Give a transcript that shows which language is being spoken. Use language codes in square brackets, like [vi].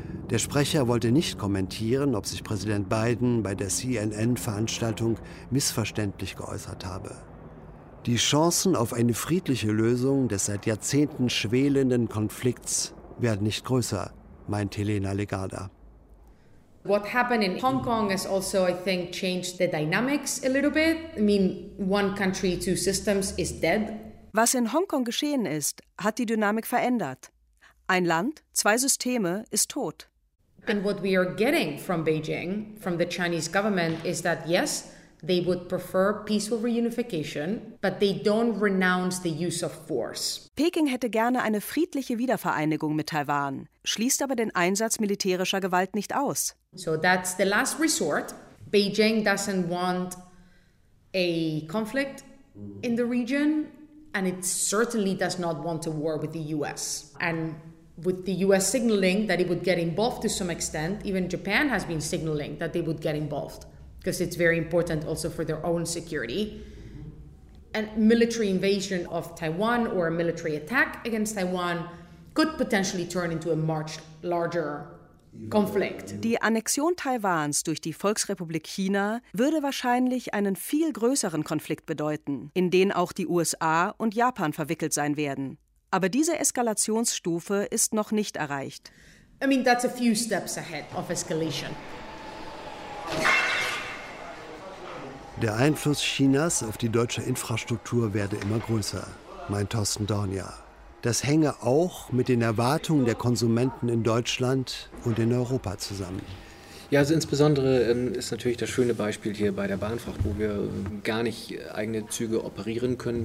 [de] Der Sprecher wollte nicht kommentieren, ob sich Präsident Biden bei der CNN-Veranstaltung missverständlich geäußert habe. Die Chancen auf eine friedliche Lösung des seit Jahrzehnten schwelenden Konflikts werden nicht größer, meint Helena Legarda. [en] What happened in Hong Kong has also, I think, changed the dynamics a little bit. I mean, one country, two systems is dead. [de] Was in Hongkong geschehen ist, hat die Dynamik verändert. Ein Land, zwei Systeme ist tot. [en] And what we are getting from Beijing, from the Chinese government, is that yes, they would prefer peaceful reunification, but they don't renounce the use of force. [de] Peking hätte gerne eine friedliche Wiedervereinigung mit Taiwan, schließt aber den Einsatz militärischer Gewalt nicht aus. [en] So that's the last resort. Beijing doesn't want a conflict in the region, and it certainly does not want a war with the US. And with the US signaling that it would get involved to some extent, even Japan has been signaling that they would get involved, because it's very important also for their own security. And military invasion of Taiwan or a military attack against Taiwan could potentially turn into a much larger conflict. [de] Die Annexion Taiwans durch die Volksrepublik China würde wahrscheinlich einen viel größeren Konflikt bedeuten, in den auch die USA und Japan verwickelt sein werden. Aber diese Eskalationsstufe ist noch nicht erreicht. [en] I mean, that's a few steps ahead of escalation. [de] Der Einfluss Chinas auf die deutsche Infrastruktur werde immer größer, meint Thorsten Dornier. Das hänge auch mit den Erwartungen der Konsumenten in Deutschland und in Europa zusammen. Ja, also insbesondere ist natürlich das schöne Beispiel hier bei der Bahnfracht, wo wir gar nicht eigene Züge operieren können.